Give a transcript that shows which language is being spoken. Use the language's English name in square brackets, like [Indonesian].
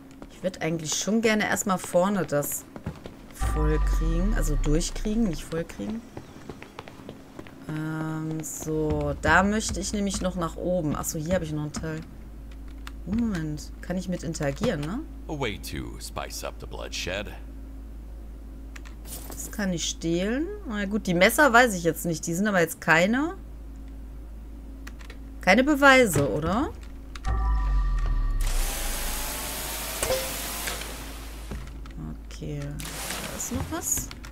[German] Ich würde eigentlich schon gerne erstmal vorne das voll kriegen. Also durchkriegen, nicht voll kriegen. So, da möchte ich nämlich noch nach oben. Achso, hier habe ich noch einen Teil. Moment, kann ich mit interagieren, ne? [English] A way to spice up the bloodshed. [German] Das kann ich stehlen. Na gut, die Messer weiß ich jetzt nicht. Die sind aber jetzt keine. Keine Beweise, oder? Okay, da ist noch was.